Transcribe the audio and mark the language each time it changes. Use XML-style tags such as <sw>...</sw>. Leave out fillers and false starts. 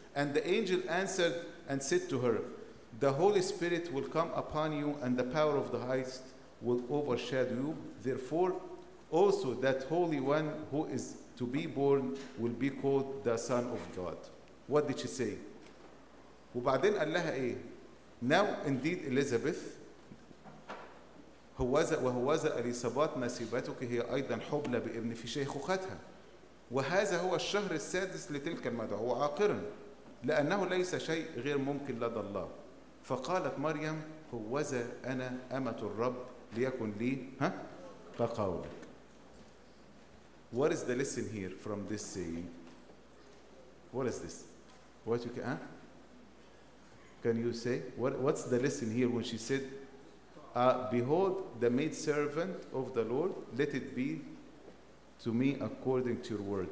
<en>And the angel answered and said to her, The Holy Spirit will come upon you and the power of the highest will overshadow you. Therefore, also that Holy One who is to be born will be called the Son of God. What did she say?</en> <ar>وبعدين قال لها إيه?</ar> <en>Now indeed</en> <ar>Elizabeth, وهوذا إليصابات نسيبتك هي أيضا حبلى بابن في شيخوختها. وهذا هو الشهر السادس لتلك المدعوة عاقرا. لأنه ليس شيء غير ممكن لدى الله. فقالت مريم, هوذا أنا أمة الرب ليكن لي ها كقولك</ar> <en>What is the lesson here from this saying? What is this? What you can? Can you say? What's the lesson here when she said, behold, the maidservant of the Lord, let it be to me according to your word.</en>